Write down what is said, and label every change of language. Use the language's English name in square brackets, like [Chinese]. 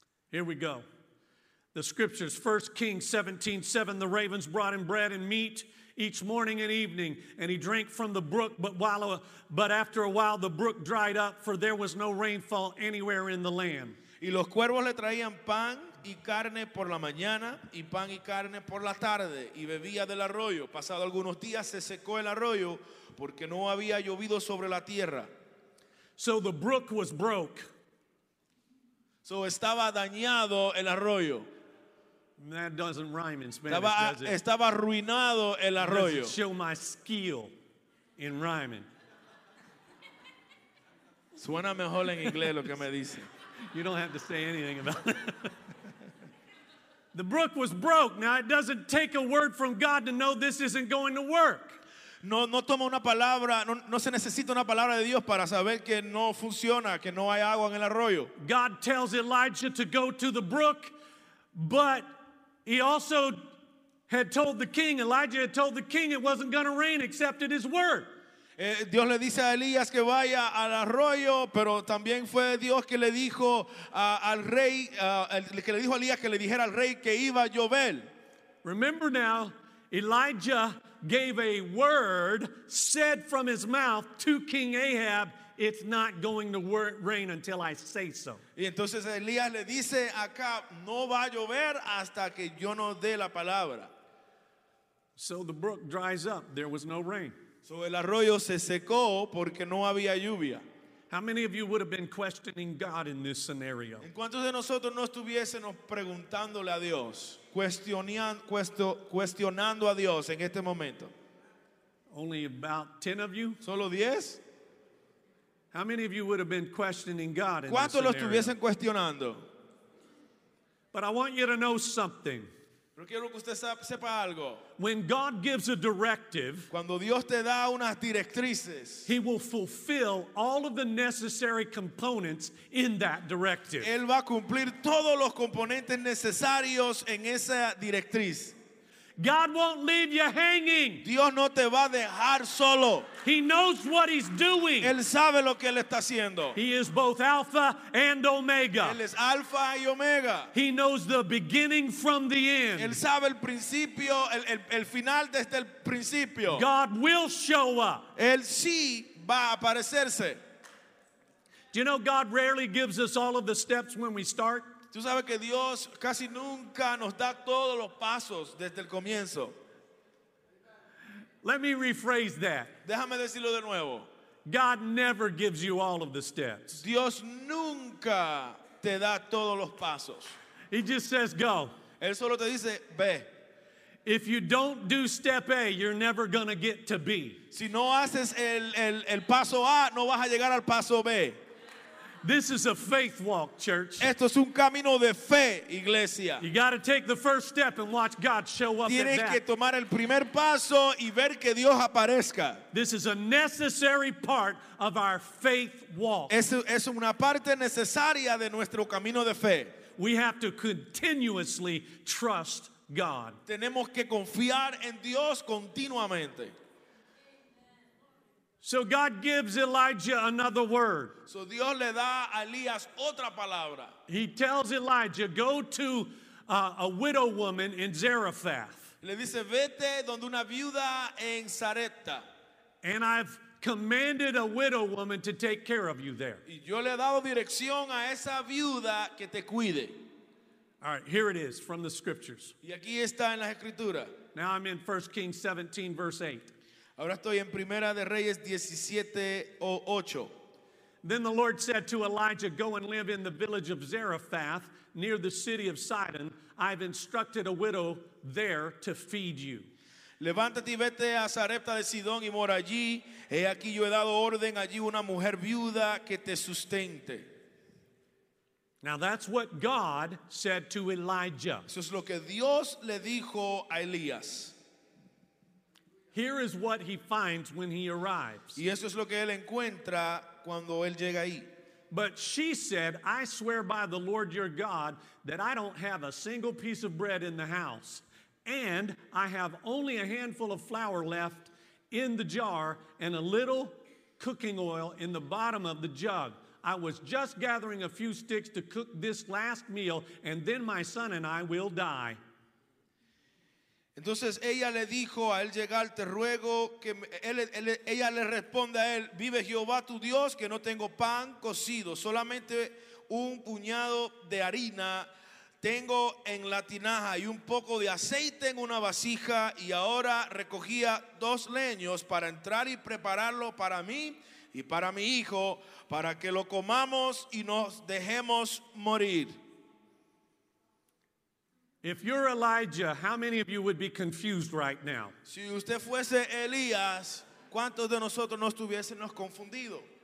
[English] Here we go. The scriptures, 1 Kings 17:7. The ravens brought him bread and meat each morning and evening, and he drank from the brook, but after a while the brook dried up, for there was no rainfall anywhere in the land. [Spanish] Y los cuervos le traían pan y carne por la mañana, y pan y carne por la tarde, y bebía del arroyo. Pasado algunos días se secó el arroyo, porque no había llovido sobre la tierra. [English] So the brook was broke. [Spanish] So estaba dañado el arroyo. [English] That doesn't rhyme in Spanish, [Spanish] estaba, [English] does it? [Spanish] Estaba arruinado el arroyo. [English] Doesn't show my skill in rhyming. [Spanish] Suena mejor en inglés lo que me dice. [English] You don't have to say anything about it. The brook was broke. Now, it doesn't take a word from God to know this isn't going to work. [Spanish] No toma una palabra, no se necesita una palabra de Dios para saber que no funciona, que no hay agua en el arroyo. [English] God tells Elijah to go to the brook, but he also had told the king, Elijah had told the king it wasn't going to rain except at his word. [Spanish] Dios le dice a Elías que vaya al arroyo, pero también fue Dios que le dijo al rey, que le dijo a Elías que le dijera al rey que iba a llover. [English] Remember now, Elijah gave a word said from his mouth to King Ahab, it's not going to rain until I say so. [Spanish] Y entonces Elías le dice a Acab, no va a llover hasta que yo no dé la palabra. [English] So the brook dries up, there was no rain. [Spanish] So el arroyo se secó porque no había lluvia. [English] How many of you would have been questioning God in this scenario? [Spanish] ¿En cuántos de nosotros no estuviésemos preguntándole a Dios, cuestionando a Dios en este momento? [English] Only about 10 of you? [Spanish] Solo 10? [English] How many of you would have been questioning God in this scenario? [Spanish] ¿Cuántos lo estuviesen cuestionando? [English] But I want you to know something. [Spanish] Pero quiero que usted sepa algo. [English] When God gives a directive, [Spanish] cuando Dios te da unas directrices, [English] he will fulfill all of the necessary components in that directive. [Spanish] Él va a cumplir todos los componentes necesarios en esa directriz. [English] God won't leave you hanging. [Spanish] Dios no te va a dejar solo. [English] He knows what he's doing. [Spanish] Él sabe lo que él está haciendo. [English] He is both Alpha and Omega. [Spanish] Él es Alpha y Omega. [English] He knows the beginning from the end. [Spanish] Él sabe el principio, el final desde el principio. [English] God will show up. [Spanish] Él sí va a aparecerse. [English] Do you know God rarely gives us all of the steps when we start? [Spanish] Tú sabes que Dios casi nunca nos da todos los pasos desde el comienzo. [English] Let me rephrase that. [Spanish] Déjame decirlo de nuevo. [English] God never gives you all of the steps. [Spanish] Dios nunca te da todos los pasos. [English] He just says go. [Spanish] Él solo te dice ve. [English] If you don't do step A, you're never going to get to B. [Spanish] Si no haces el paso A, no vas a llegar al paso B. [English] This is a faith walk, church. [Spanish] Esto es un camino de fe, iglesia. [English] You got to take the first step and watch God show up. [Spanish] Tienes [English] at that. [Spanish] Que tomar el primer paso y ver que Dios aparezca. [English] This is a necessary part of our faith walk. [Spanish] Es una parte necesaria de nuestro camino de fe. [English] We have to continuously trust God. [Spanish] Tenemos que confiar en Dios continuamente. [English] So God gives Elijah another word. [Spanish] So Dios le da a Elías otra palabra. [English] He tells Elijah, go to a widow woman in Zarephath. [Spanish] Le dice, vete donde una viuda en Zarepta. [English] And I've commanded a widow woman to take care of you there. [Spanish] Y yo le he dado dirección a esa viuda que te cuide. [English] All right, here it is from the scriptures. [Spanish] Y aquí está en la escritura. [English] Now I'm in 1 Kings 17, verse 8. [Spanish] Ahora estoy en Primera de Reyes 17:8. [English] Then the Lord said to Elijah, go and live in the village of Zarephath near the city of Sidon. I've instructed a widow there to feed you. [Spanish] Levántate y vete a Zarepta de Sidón y mora allí. He aquí yo he dado orden allí una mujer viuda que te sustente. [English] Now that's what God said to Elijah. [Spanish] Eso es lo que Dios le dijo a Elías. [English] Here is what he finds when he arrives. [Spanish] Y eso es lo que él encuentra cuando él llega ahí. [English] But she said, I swear by the Lord your God that I don't have a single piece of bread in the house, and I have only a handful of flour left in the jar and a little cooking oil in the bottom of the jug. I was just gathering a few sticks to cook this last meal, and then my son and I will die. [Spanish] Entonces ella le dijo a él llegar, te ruego que ella le responde a él, vive Jehová tu Dios que no tengo pan cocido, solamente un puñado de harina tengo en la tinaja y un poco de aceite en una vasija y ahora recogía dos leños para entrar y prepararlo para mí y para mi hijo para que lo comamos y nos dejemos morir. [English] If you're Elijah, how many of you would be confused right now? [Spanish] Si usted fuese Elías, ¿cuántos de nosotros no estuviésemos confundidos?